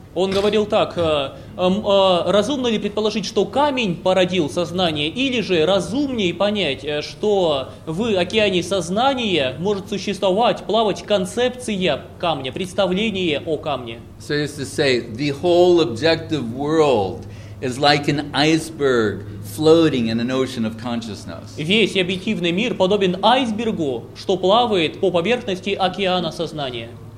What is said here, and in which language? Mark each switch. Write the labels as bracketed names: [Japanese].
[Russian] Он говорил так: разумно ли предположить, что камень породил сознание, или же разумнее понять, что в океане сознания может существовать, плавать концепция камня, представление о камне? [English] So as to say, the whole objective world is like an iceberg floating in an ocean of consciousness. [Russian] Весь объективный мир подобен айсбергу, что плавает по поверхности океана сознания.